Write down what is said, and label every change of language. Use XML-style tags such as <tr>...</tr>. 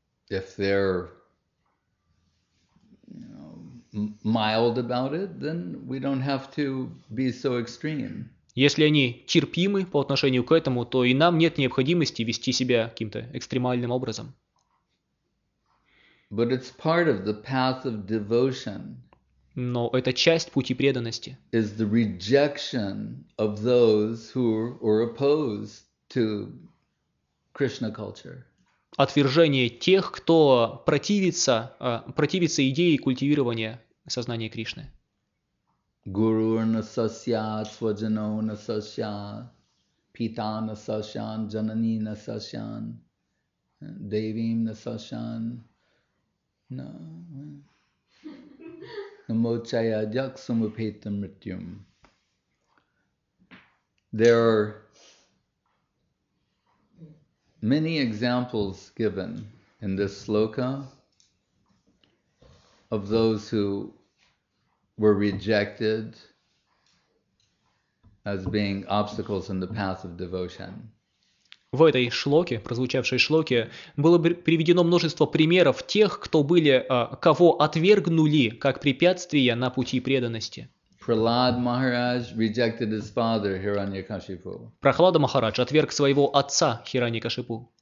<en>If they're, mild about it, then we don't have to be so extreme.</en> <ru>Если они терпимы по отношению к этому, то и нам нет необходимости вести себя каким-то экстремальным образом.</ru> <en>But it's part of the path of devotion.</en> <ru>Но это часть пути преданности.</ru> <en>Is the rejection of those who are opposed to Krishna culture.</en> <ru>Отвержение тех, кто противится идее культивирования сознания Кришны.</ru> <sa>Guru na sasya, swajano na sasya, pita na sasyan, janani na sasyan, devim na sasyan. No. Namo chaya jak sumapetam rityum.</sa> <en>There are many examples given in this sloka of those who were rejected as being obstacles in the path of devotion.</en> <ru>В этой шлоке, прозвучавшей шлоке, было приведено множество примеров тех, кто были, кого отвергнули как препятствия на пути преданности.</ru> <en>Prahlad Maharaj rejected his father Hiranyakashipu.</en> <ru>Прохлада Махарадж отверг своего отца Хираньякашипу.</ru>